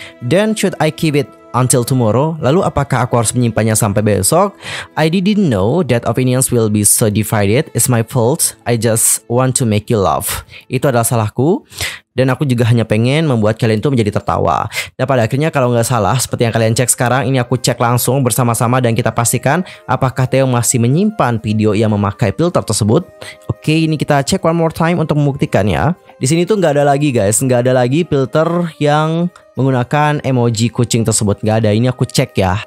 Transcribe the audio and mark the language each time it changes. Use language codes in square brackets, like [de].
[en] Then should I keep it until tomorrow? [id] Lalu apakah aku harus menyimpannya sampai besok? [en] I didn't know that opinions will be so divided. It's my fault. I just want to make you laugh. [id] Itu adalah salahku. Dan aku juga hanya pengen membuat kalian itu menjadi tertawa. Dan pada akhirnya kalau nggak salah, seperti yang kalian cek sekarang, ini aku cek langsung bersama-sama dan kita pastikan apakah Theo masih menyimpan video yang memakai filter tersebut. Oke, ini kita cek [en] one more time [id] untuk membuktikan ya. Di sini tuh nggak ada lagi guys, nggak ada lagi filter yang menggunakan emoji kucing tersebut, nggak ada. Ini aku cek ya.